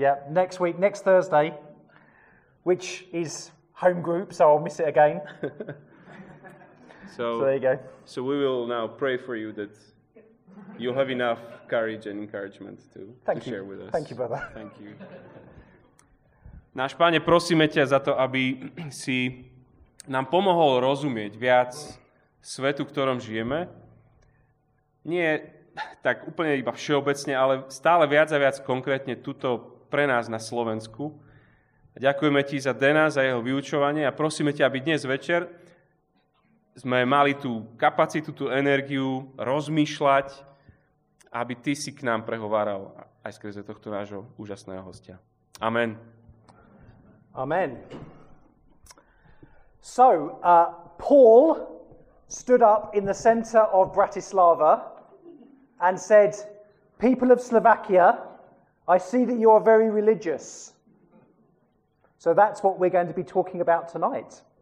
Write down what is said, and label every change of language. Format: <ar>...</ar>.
<en>next week, next Thursday, which is home group, so I'll miss it again. So there you go. So we will now pray for you that you'll have enough courage and encouragement to share with us. Thank you, brother. Thank you.</en> <sk>Náš Pane, prosíme ťa za to, aby si nám pomohol rozumieť viac svetu, v ktorom žijeme. Nie tak úplne iba všeobecne, ale stále viac a viac konkrétne tuto pre nás na Slovensku. Ďakujeme ti za Dena, za jeho vyučovanie a prosíme ťa, aby dnes večer sme mali tú kapacitu, tú energiu rozmýšľať, aby ty si k nám prehováral aj skrze tohto nášho úžasného hostia. Amen. Amen.</sk> <en>So, Paul stood up in the center of Bratislava and said, people of Slovakia, I see that you are very religious. So that's what we're going to be talking about tonight.</en>